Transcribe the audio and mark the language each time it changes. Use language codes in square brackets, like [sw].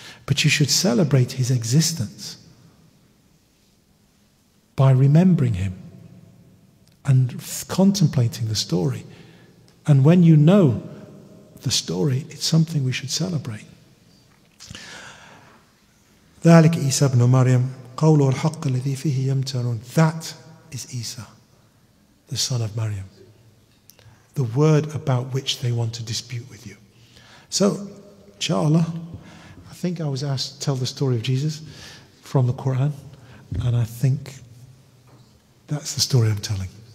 [en] But you should celebrate his existence by remembering him and contemplating the story. And when you know the story, it's something we should celebrate. [ar] ذلك إيسى بن مريم قوله الحق الذي فيه يمترون. [en] That is Isa, the son of Maryam, the word about which they want to dispute with you. So, inshallah, I think I was asked to tell the story of Jesus from the Quran, and I think that's the story I'm telling.